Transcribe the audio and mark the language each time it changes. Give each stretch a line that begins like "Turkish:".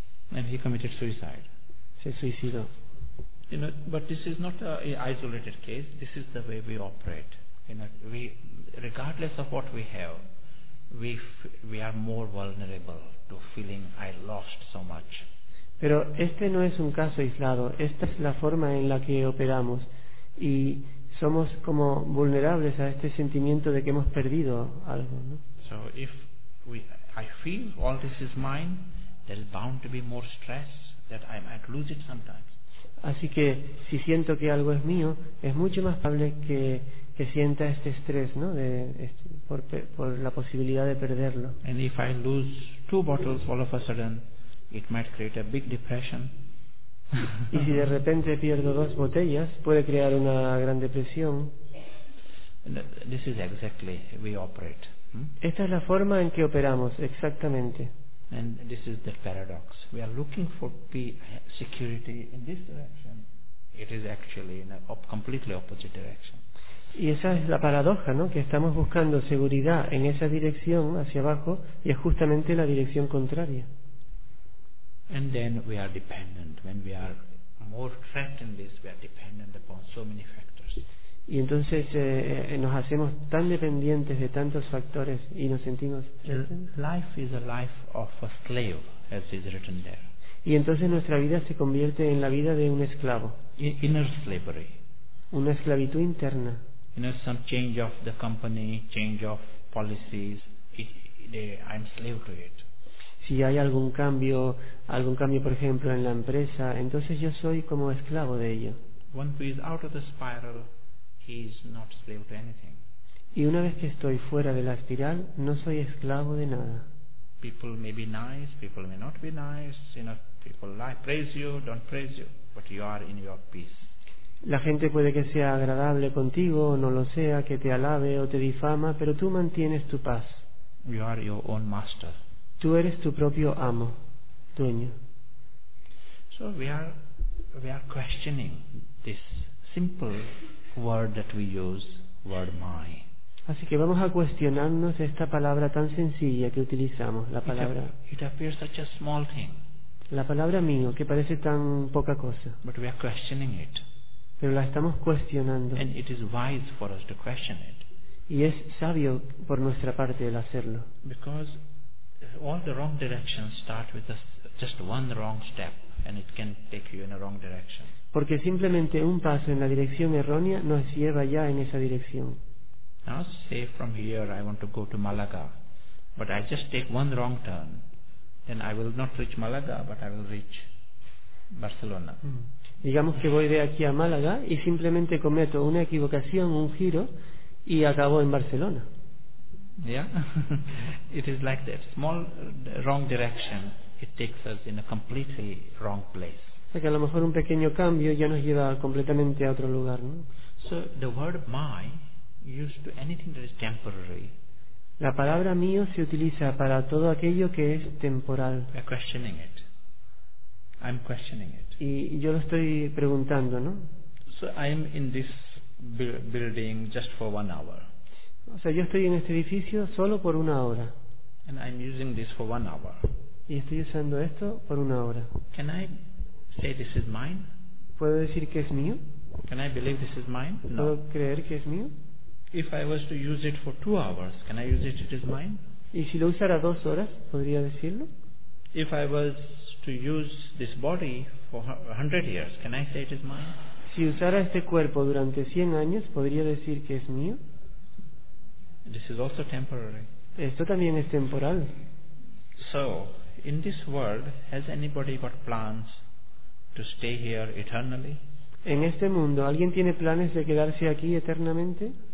English: And he committed suicide.
Spanish: Se suicidó.
English: You know, but this is not an isolated case. This is the way we operate. You know, we, regardless of what we have, we are more vulnerable to feeling I lost so much.
Spanish: Pero este no es un caso aislado. Esta es la forma en la que operamos y somos como vulnerables a este sentimiento de que hemos perdido algo, ¿no?
English: So if I feel all this is mine, there's bound to be more stress that I might lose it sometimes.
Spanish: Así que si siento que algo es mío, es mucho más probable que sienta este estrés, ¿no? Por la posibilidad de perderlo.
English: And if I lose two bottles all of a sudden, it might create a big depression.
Spanish: Y si de repente pierdo dos botellas, puede crear una gran depresión.
English: This is exactly how we operate.
Spanish: Esta es la forma en que operamos, exactamente.
English: And this is the paradox. We are looking for security in this direction. It is actually in a completely opposite direction.
Spanish: Y esa es la paradoja, ¿no? Que estamos buscando seguridad en esa dirección hacia abajo y es justamente la dirección contraria.
English: And then we are dependent. When we are more trapped in this, we are dependent upon so many factors.
Spanish: Y entonces nos hacemos tan dependientes de tantos factores y nos sentimos.
English: Life is a life of a slave, as is written there.
Spanish: Y entonces nuestra vida se convierte en la vida de un esclavo.
English: Inner slavery.
Spanish: Una esclavitud interna.
English: You know, some change of the company, change of policies. I'm slave to it.
Spanish: Si hay algún cambio, por ejemplo, en la empresa, entonces yo soy como esclavo de ello.
English: One who is out of the spiral. He is not slave to anything.
Spanish: Y una vez que estoy fuera de la espiral, no soy esclavo de nada.
English: People may be nice, people may not be nice. You know, people like praise you, don't praise you, but you are in your peace.
Spanish: La gente puede que sea agradable contigo o no lo sea, que te alabe o te difama, pero tú mantienes tu paz.
English: You are your own master.
Spanish: Tú eres tu propio amo, dueño.
English: So we are questioning this simple word that we use, word my.
Spanish: Así que vamos a cuestionarnos esta palabra tan sencilla que utilizamos, la palabra.
English: It appears such a small thing.
Spanish: La palabra mío, que parece tan poca cosa.
English: But we are questioning it.
Spanish: Pero la estamos cuestionando.
English: And it is wise for us to question it.
Spanish: Y es sabio por nuestra parte el hacerlo.
English: Because all the wrong directions start with just one wrong step, and it can take you in a wrong direction.
Spanish: Porque simplemente un paso en la dirección errónea nos lleva ya en esa dirección.
English: Now say from here I want to go to Malaga, but I just take one wrong turn, then I will not reach Malaga, but I will reach Barcelona.
Spanish: Digamos que voy de aquí a Málaga y simplemente cometo una equivocación, un giro, y acabo en Barcelona.
English: Yeah, it is like that. Small wrong direction, it takes us in a completely wrong place.
Spanish: O sea, que a lo mejor un pequeño cambio ya nos lleva completamente a otro lugar, ¿no?
English: So the word my used to anything that is temporary.
Spanish: La palabra mío se utiliza para todo aquello que es temporal.
English: We're questioning it. I'm questioning it.
Spanish: Y yo lo estoy preguntando, ¿no?
English: So I'm in this building just for 1 hour.
Spanish: O sea, yo estoy en este edificio solo por 1 hour.
English: And I'm using this for 1 hour.
Spanish: Y estoy usando esto por 1 hour.
English: Can I say this is mine?
Spanish: ¿Puedo decir que es mío?
English: Can I believe this is mine?
Spanish: No. ¿Puedo creer que es mío?
English: If I was to use it for 2 hours, can I use it as mine?
Spanish: ¿Y si lo usara 2 horas, podría decirlo?
English: If I was to use this body for 100 years, can I say it is mine?
Spanish: Si usara este cuerpo durante 100 años, podría decir que es mío.
English: This is also temporary.
Spanish: Esto también es temporal.
English: So, in this world, has anybody got plans to stay here eternally?
Spanish: En este mundo, ¿alguien tiene planes de quedarse aquí eternamente?